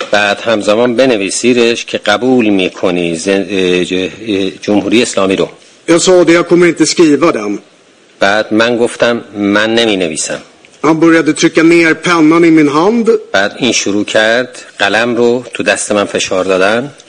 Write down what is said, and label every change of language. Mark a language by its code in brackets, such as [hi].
[fa] بعد همزمان بنویسیدش که قبول میکنی جمهوری اسلامی رو. [sv] Jag sa det, jag kommer inte skriva den. [fa] بعد من گفتم من نمی نویسم. [sv] Han började trycka ner pennan i min hand. [fa] بعد این شروع کرد قلم رو تو دست من فشار دادن.